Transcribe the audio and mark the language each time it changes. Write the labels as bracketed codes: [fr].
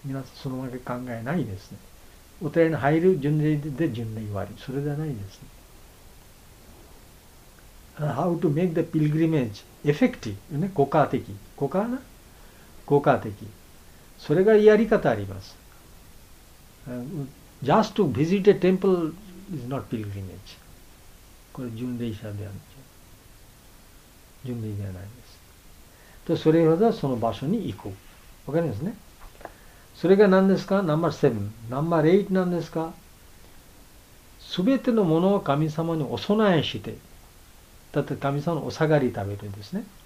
[ja] 皆さんそのわけ考えないですね。お寺に入る巡礼で巡礼終わり、それではないですね。 [en] How to make the pilgrimage effective? [ja] ね、効果的。効果な？効果的。それがやり方あります。 [en] Just to visit a temple is not pilgrimage. [ja] これ巡礼者であるんですよ。巡礼ではないです。と、それはその場所に行く。わかりますね。それが何ですか？ [en] Number 7。 Number 8 [ja] なんですか？すべてのものを神様にお供えして、だって神様のお下がり食べるんですね。